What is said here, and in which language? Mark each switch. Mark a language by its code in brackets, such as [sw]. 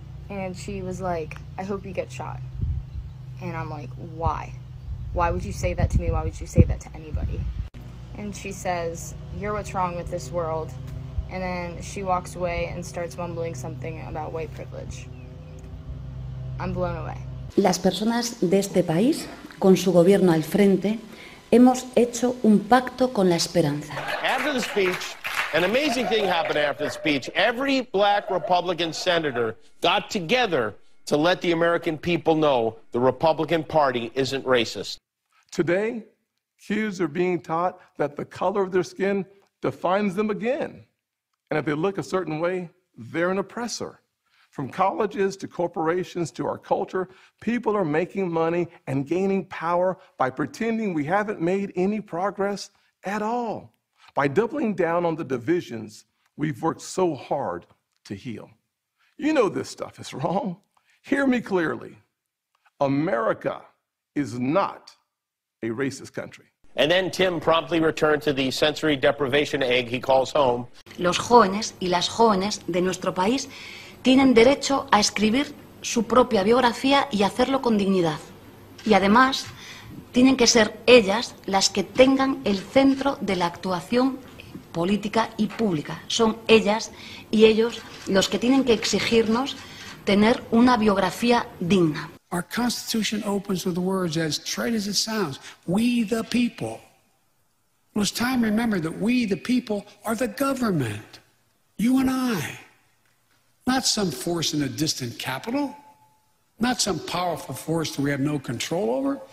[en] And she was like, I hope you get shot. And I'm like, why? Why would you say that to me? Why would you say that to anybody? And she says, you're what's wrong with this world. And then she walks away and starts mumbling something about white privilege. I'm blown away. [es] Las personas de este país, con su gobierno al frente, hemos hecho un pacto con la esperanza. [en] After the speech, an amazing thing happened after the speech. Every black Republican senator got together to let the American people know the Republican Party isn't racist. Today, kids are being taught that the color of their skin defines them again. And if they look a certain way, they're an oppressor. From colleges to corporations to our culture, people are making money and gaining power by pretending we haven't made any progress at all. By doubling down on the divisions we've worked so hard to heal. You know this stuff is wrong. Hear me clearly. America is not a racist country. And then Tim promptly returned to the sensory deprivation egg he calls home. [es] Los jóvenes y las jóvenes de nuestro país tienen derecho a escribir su propia biografía y hacerlo con dignidad. Y además, tienen que ser ellas las que tengan el centro de la actuación política y pública. Son ellas y ellos los que tienen que exigirnos tener una biografía digna. [en] Our Constitution opens with the words, as trite as it sounds, we the people. Well, it's time to remember that we the people are the government, you and I, not some force in a distant capital, not some powerful force that we have no control over.